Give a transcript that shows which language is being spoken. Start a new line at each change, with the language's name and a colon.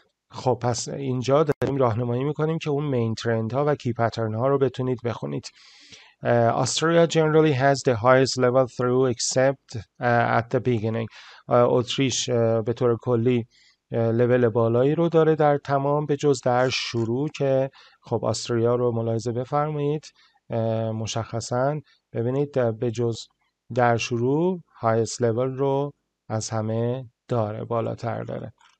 Persian: خب پس اینجا داریم راهنمایی میکنیم که اون مین ترند ها و کی پترن ها رو بتونید بخونید.
English: استرالیا generally has the highest level through except at the beginning.
Persian: اتریش به طور کلی لول بالایی رو داره در تمام به جز در شروع، که خب استرالیا رو ملاحظه بفرمایید. مشخصا ببینید به جز در شروع highest level رو از همه داره، بالاتر داره.